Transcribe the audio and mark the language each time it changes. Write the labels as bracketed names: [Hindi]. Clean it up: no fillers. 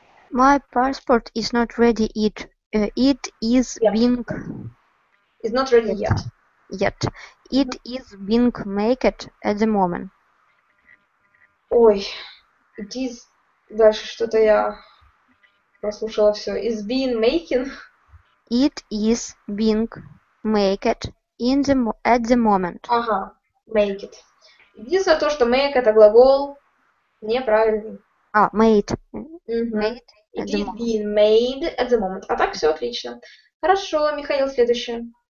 [English] My passport is not ready yet. It is being... It's not ready yet. Yet. It is being made at the moment. Ой, it is... [Russian] Дальше что-то я прослушала все. [English] Is being making? It is being made in the, at the moment. Ага, make it. [Russian] Единственное то, что make это глагол неправильный. [English] А, made. Made. It is being made at the moment. [Russian] А так все отлично. Хорошо, Михаил, следующее.